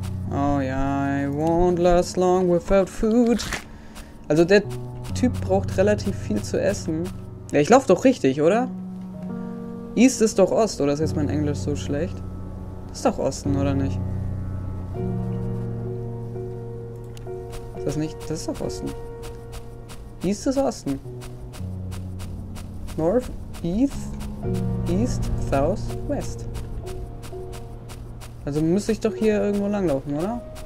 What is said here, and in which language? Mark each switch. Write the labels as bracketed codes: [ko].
[en] Oh ja, I won't last long without food. [de] Also der Typ braucht relativ viel zu essen. Ja, ich laufe doch richtig, oder? East ist doch Ost, oder ist jetzt mein Englisch so schlecht? Das ist doch Osten, oder nicht? Ist das nicht? Das ist doch Osten. East ist Osten. [en] North, East, East, South, West. [de] Also müsste ich doch hier irgendwo langlaufen, oder?